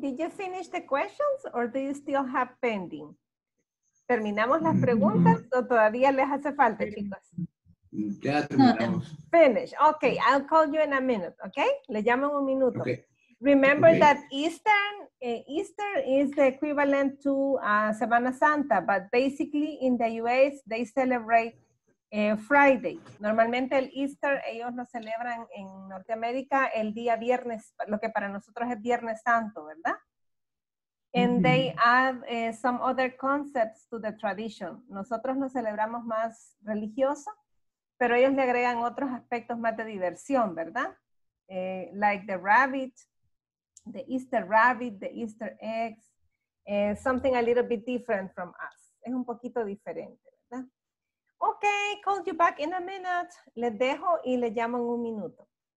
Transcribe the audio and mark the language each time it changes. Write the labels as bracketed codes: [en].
[en] Did you finish the questions or do you still have pending? [es] ¿Terminamos las preguntas o todavía les hace falta, chicos? Ya terminamos. [en] Finish. Okay, I'll call you in a minute, okay? [es] Le llamo en un minuto. [en] Okay. Remember that Easter is the equivalent to Semana Santa, but basically in the U.S. they celebrate Friday. [es] Normalmente el Easter ellos lo celebran en Norteamérica el día viernes, lo que para nosotros es Viernes Santo, ¿verdad? [en] And they add some other concepts to the tradition. [es] Nosotros lo celebramos más religioso, pero ellos le agregan otros aspectos más de diversión, ¿verdad? [en] Like the rabbit. The Easter rabbit, the Easter eggs, something a little bit different from us. [es] Es un poquito diferente, ¿verdad? [en] Okay, call you back in a minute. [es] Les dejo y les llamo en un minuto.